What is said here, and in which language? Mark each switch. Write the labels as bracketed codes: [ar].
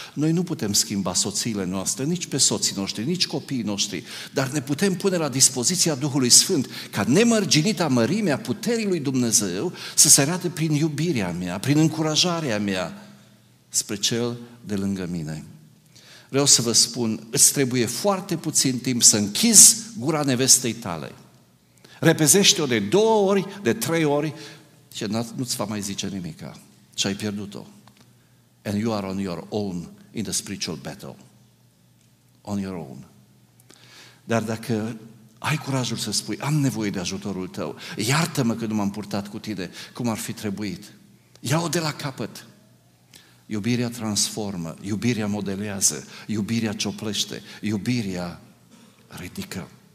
[ro] Noi nu putem schimba soțiile noastre, nici pe soții noștri, nici copiii noștri, dar ne putem pune la dispoziția Duhului Sfânt ca nemărginita mărimea puterii lui Dumnezeu să se arate prin iubirea mea, prin încurajarea mea spre cel de lângă mine. Vreau să vă spun, îți trebuie foarte puțin timp să închizi gura nevestei tale. Repezește-o de două ori, de trei ori și nu-ți va mai zice nimica. Și ai pierdut-o. [en] And you are on your own in the spiritual battle. On your own. [ro] Dar dacă ai curajul să spui, am nevoie de ajutorul tău, iartă-mă că nu m-am purtat cu tine cum ar fi trebuit. Ia-o de la capăt. Iubirea transformă, iubirea modelează, iubirea cioplește, iubirea ridică.